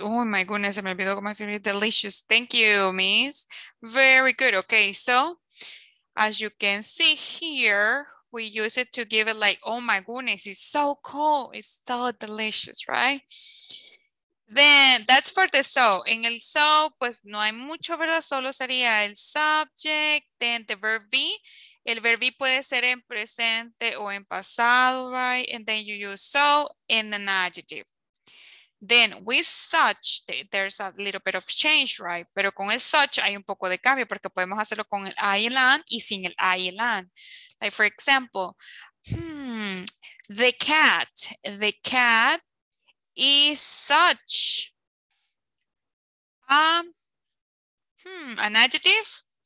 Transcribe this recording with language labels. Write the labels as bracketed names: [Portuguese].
[Spanish] Oh my goodness, se me olvidó cómo decir delicious. [English] Thank you, miss. Very good. Okay, so as you can see here, we use it to give it like, oh my goodness, it's so cold. It's so delicious, right? Then that's for the so. [Spanish] In el so, pues no hay mucho, ¿verdad? Solo sería el subject. [English] Then the verb be. [Spanish] El verb be puede ser en presente o en pasado, right? [English] And then you use so in an adjective. Then with such, there's a little bit of change, right? [Spanish] Pero con el such hay un poco de cambio porque podemos hacerlo con el I and an y sin el I and an. [English] Like for example, the cat is such an adjective.